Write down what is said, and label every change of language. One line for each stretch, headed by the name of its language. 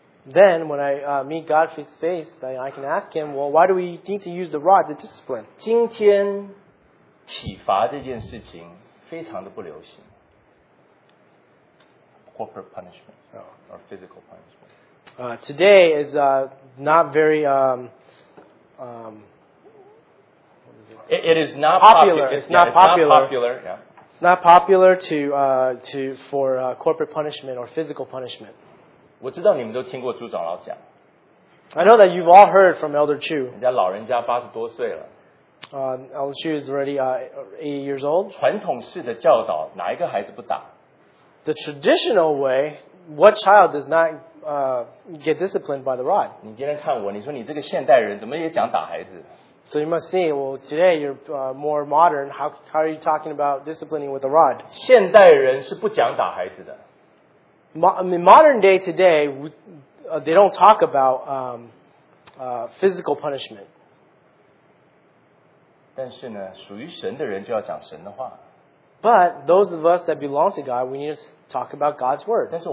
English: Then when I meet God face to face, I can ask him, well, why do we need to use the rod, the discipline?
Chinese: 今天体罚这件事情非常的不流行。
English: Corporate punishment or physical punishment. Today is not very it is not popular. It's not popular. Yeah. Not popular for corporate punishment or physical punishment.
Chinese: 我知道你们都听过朱长老讲。
English: I know that you've all heard from Elder Chu.
Chinese: 人家老人家80多岁了。
English: Elder Chu is already 80 years old.
Chinese: 传统式的教导哪一个孩子不打？
English: The traditional way, what child does not get disciplined by the rod?
Chinese: 你今天看我，你说你这个现代人怎么也讲打孩子？
English: So you must see, well, today you're more modern. How are you talking about disciplining with a rod?
Chinese: 现代人是不讲打孩子的。
English: Modern day today, they don't talk about physical punishment.
Chinese: 但是呢，属于神的人就要讲神的话。
English: But those of us that belong to God, we need to talk about God's word.